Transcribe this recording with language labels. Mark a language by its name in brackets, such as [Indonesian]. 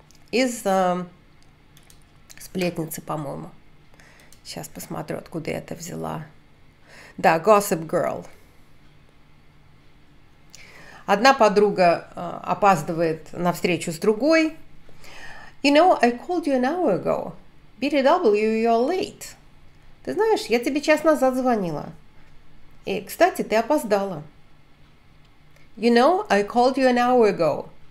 [Russian] Из сплетницы, по-моему. Сейчас посмотрю, откуда я это взяла. Да, Gossip Girl. Одна подруга опаздывает на встречу с другой. [English] You know, I called you an hour ago. BTW, you're late. [Russian] Ты знаешь, я тебе час назад звонила. И, кстати, ты опоздала. [English] You know, I called you an hour ago.